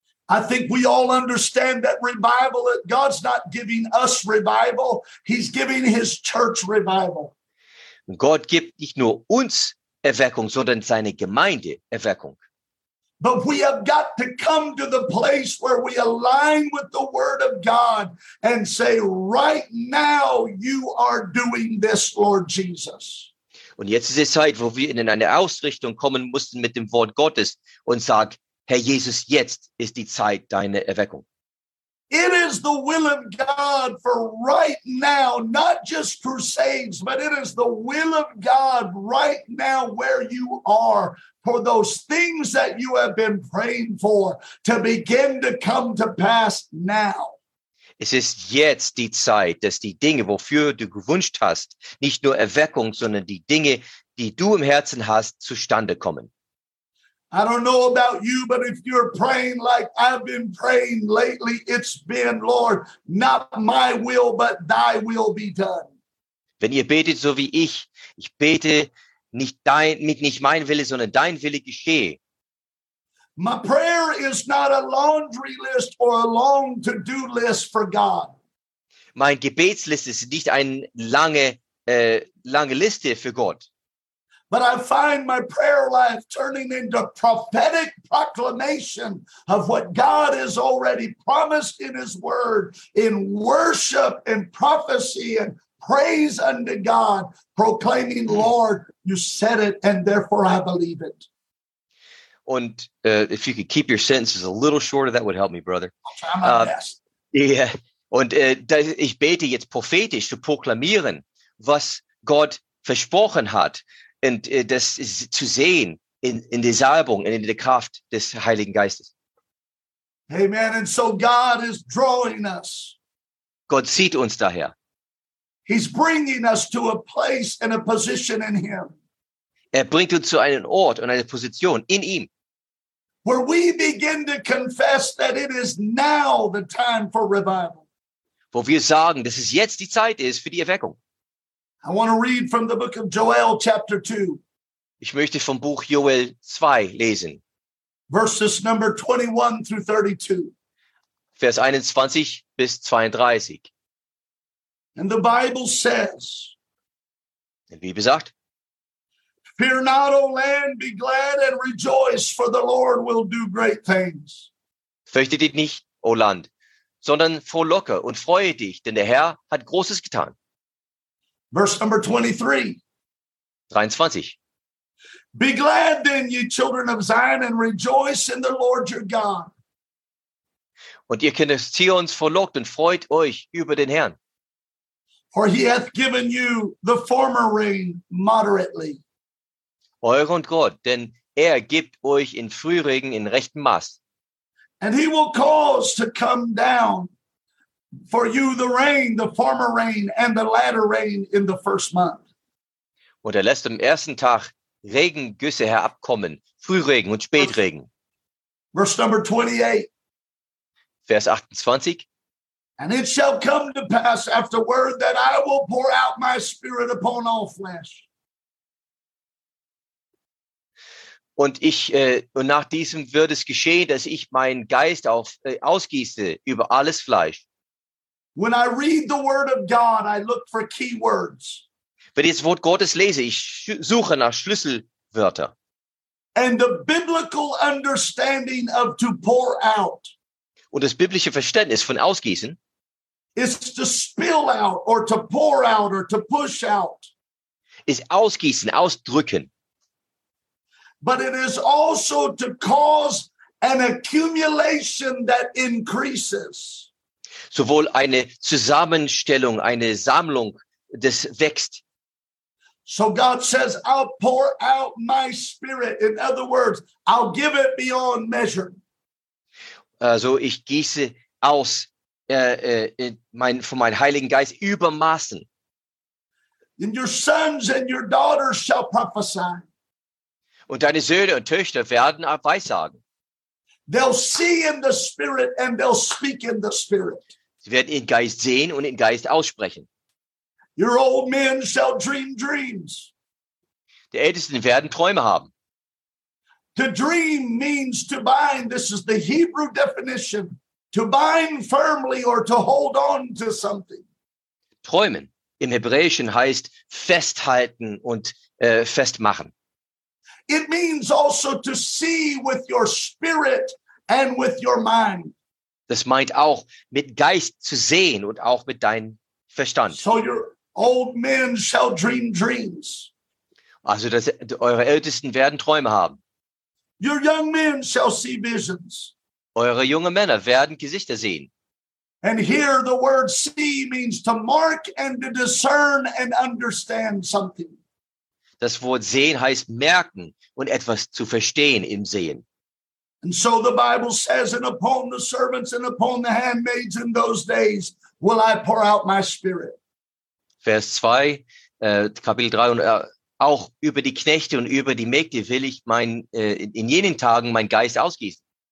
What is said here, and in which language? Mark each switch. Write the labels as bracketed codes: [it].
[en] I think we all understand that revival, that God's not giving us revival, he's giving his church revival. [de] Gott gibt nicht nur uns Erweckung, sondern seine Gemeinde Erweckung. [en] But we have got to come to the place where we align with the word of God and say, right now you are doing this, Lord Jesus. [de] Und jetzt ist die Zeit, wo wir in eine Ausrichtung kommen mussten mit dem Wort Gottes und sagen, Herr Jesus, jetzt ist die Zeit deiner Erweckung. [en] It is the will of God for right now, not just crusades, but it is the will of God right now where you are, for those things that you have been praying for to begin to come to pass now. [de] Es ist jetzt die Zeit, dass die Dinge, wofür du gewünscht hast, nicht nur Erweckung, sondern die Dinge, die du im Herzen hast, zustande kommen. [en] I don't know about you, but if you're praying like I've been praying lately, it's been, Lord, not my will, but thy will be done. [de] Wenn ihr betet so wie ich bete nicht mein Wille, sondern dein Wille geschehe. [en] My prayer is not a laundry list or a long to-do list for God. [de] Mein Gebetsliste ist nicht eine lange Liste für Gott. [en] But I find my prayer life turning into prophetic proclamation of what God has already promised in his word, in worship and prophecy and praise unto God, proclaiming, Lord, you said it, and therefore I believe it. Und if you could keep your sentences a little shorter, that would help me, brother. I'll try my best. Yeah. [de] Und ich bete jetzt prophetisch zu proklamieren, was Gott versprochen hat. Und das ist zu sehen in der Salbung und in der Kraft des Heiligen Geistes. [en] Amen. And so God is drawing us. [de] Gott zieht uns daher. [en] He's bringing us to a place and a position in him. [de] Er bringt uns zu einem Ort und einer Position in ihm. [en] Where we begin to confess that it is now the time for revival. [de] Wo wir sagen, dass es jetzt die Zeit ist für die Erweckung. [en] I want to read from the book of Joel, chapter 2. [de] Ich möchte vom Buch Joel 2 lesen. [en] Verses number 21 through 32. [de] Vers 21 bis 32. [en] And the Bible says, [de] die Bibel sagt, [en] fear not, O land, be glad and rejoice, for the Lord will do great things. [de] Fürchte dich nicht, O Land, sondern frohlocke und freue dich, denn der Herr hat Großes getan. [en] Verse number 23. [de] 23. [en] Be glad then, ye children of Zion, and rejoice in the Lord your God. [de] Und ihr Kinder Zions, frohlockt und freut euch über den Herrn. [en] For he hath given you the former rain moderately. [de] Euren Gott, denn er gibt euch in Frühregen in rechtem Maß. [en] And he will cause to come down for you the rain, the former rain, and the latter rain in the first month. [de] Und er lässt am ersten Tag Regengüsse herabkommen, Frühregen und Spätregen. [en] Verse number 28. [de] Vers 28. [en] And it shall come to pass afterward that I will pour out my spirit upon all flesh. [de] Und ich und nach diesem wird es geschehen, dass ich meinen Geist ausgieße über alles Fleisch. [en] When I read the word of God, I look for key words. [de] Wenn ich das Wort Gottes lese, ich suche nach Schlüsselwörter. [en] And the biblical understanding of to pour out. [de] Und das biblische Verständnis von ausgießen. [en] Is to spill out or to pour out or to push out. [de] Ist ausgießen, ausdrücken. [en] But it is also to cause an accumulation that increases. [de] Sowohl eine Zusammenstellung, eine Sammlung, das wächst. [en] So God says, I'll pour out my spirit. In other words, I'll give it beyond measure. [de] Also ich gieße aus von meinem Heiligen Geist übermaßen. [en] And your sons and your daughters shall prophesy. [de] Und deine Söhne und Töchter werden weissagen. [en] They'll see in the spirit and they'll speak in the spirit. [de] Sie werden in Geist sehen und in Geist aussprechen. [en] Your old men shall dream dreams. [de] Die Ältesten werden Träume haben. [en] To dream means to bind. This is the Hebrew definition. To bind firmly or to hold on to something. [de] Träumen im Hebräischen heißt festhalten und festmachen. [en] It means also to see with your spirit and with your mind. [de] Das meint auch mit Geist zu sehen und auch mit deinem Verstand. [en] So your old men shall dream dreams. [de] Also dass eure Ältesten werden Träume haben. [en] Your young men shall see visions. [de] Eure jungen Männer werden Gesichter sehen. [en] And here the word see means to mark and to discern and understand something. [de] Das Wort sehen heißt merken und etwas zu verstehen im Sehen. [en] And so the Bible says, and upon the servants and upon the handmaids in those days will I pour out my spirit. [de] Vers 2, Kapitel 3, und auch über die Knechte und über die Mägde will ich in jenen Tagen meinen Geist ausgießen.